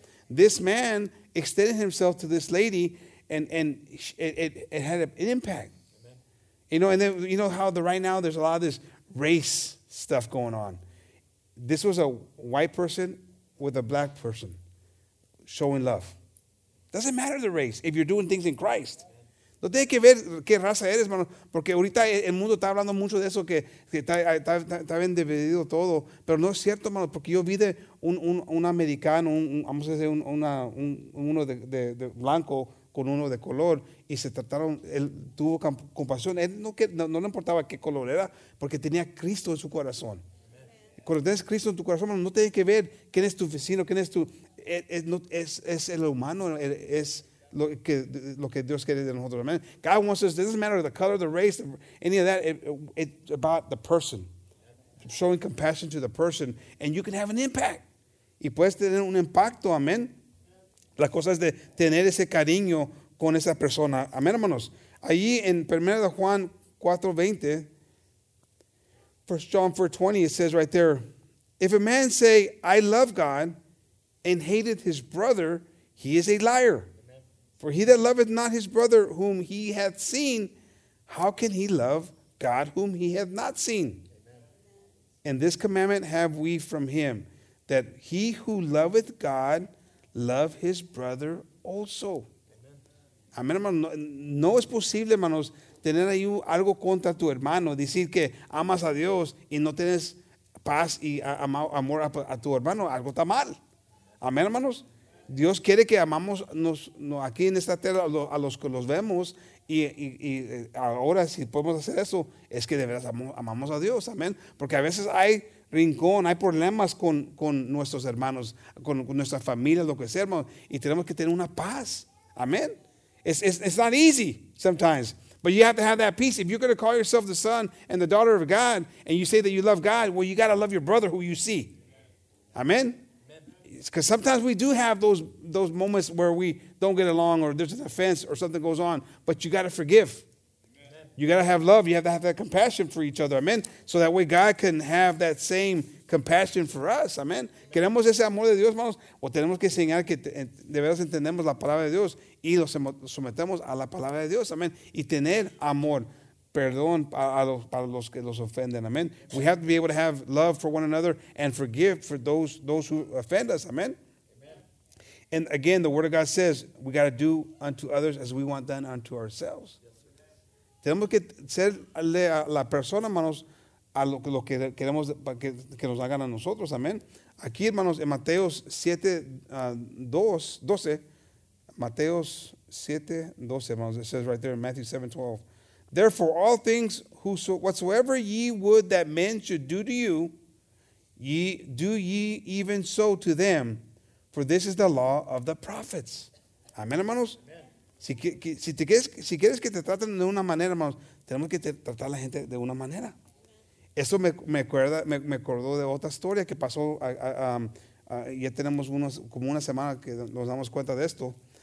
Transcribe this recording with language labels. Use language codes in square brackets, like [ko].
[en] This man extended himself to this lady, and it had an impact. Amen. You know, and then you know how right now there's a lot of this race stuff going on. This was a white person with a black person showing love. Doesn't matter the race if you're doing things in Christ. [es] No tiene que ver qué raza eres, hermano, porque ahorita el mundo está hablando mucho de eso, que está bien dividido todo, pero no es cierto, hermano, porque yo vi de un americano, vamos a decir, uno de blanco con uno de color, y se trataron, él tuvo compasión, él no le importaba qué color era, porque tenía Cristo en su corazón. Cuando tienes Cristo en tu corazón, hermano, no tiene que ver quién es tu vecino, quién es tu, es el humano, es lo que Dios quiere de nosotros. Amen. [en] God wants us, it doesn't matter the color, the race, any of that, it's about the person. Showing compassion to the person, and you can have an impact. [es] Y puedes tener un impacto, amén. La cosa es de tener ese cariño con esa persona. Amén, hermanos. Allí en 1 Juan 4:20, [en] 1 John 4:20, it says right there, if a man say, I love God, and hated his brother, he is a liar. For he that loveth not his brother whom he hath seen, how can he love God whom he hath not seen? Amen. And this commandment have we from him, that he who loveth God love his brother also. [es] Amén, hermano. No es posible, hermanos, tener ahí algo contra tu hermano, decir que amas a Dios y no tienes paz y amor a tu hermano. Algo está mal. Amén, hermanos. Dios quiere que amamos aquí en esta tierra a los que los vemos y ahora si podemos hacer eso es que de veras amamos a Dios, amén. Porque a veces hay rincón, hay problemas con nuestros hermanos, con nuestra familia, lo que sea, hermano, y tenemos que tener una paz, amén. [en] It's not easy sometimes, but you have to have that peace. If you're going to call yourself the son and the daughter of God and you say that you love God, well, you got to love your brother who you see, amén. Because sometimes we do have those moments where we don't get along or there's an offense or something goes on, but you got to forgive. Amen. You got to have love. You have to have that compassion for each other. Amen. So that way God can have that same compassion for us. [es] Amen. ¿Queremos ese amor de Dios, hermanos? O tenemos que enseñar que de veras entendemos la palabra de Dios y lo sometemos a la palabra de Dios. Amen. Y tener amor, perdón para los que los ofenden. Amen. [en] We have to be able to have love for one another and forgive for those who offend us. Amen. And again, the Word of God says we got to do unto others as we want done unto ourselves. [es] Yes, tenemos que serle a la persona, hermanos, a lo que queremos que nos hagan a nosotros. Amen. Aquí, hermanos, en Mateo 7:12, Mateo 7:12, hermanos, [en] it says right there in Matthew 7:12. Therefore, all things whatsoever ye would that men should do to you, ye do ye even so to them, for this is the law of the prophets. [es] Amén, hermanos. Amen. Si quieres que te traten de una manera, hermanos, tenemos que tratar a la gente de una manera. Eso me acordó de otra historia que pasó. Ya tenemos como una semana que nos damos cuenta de esto.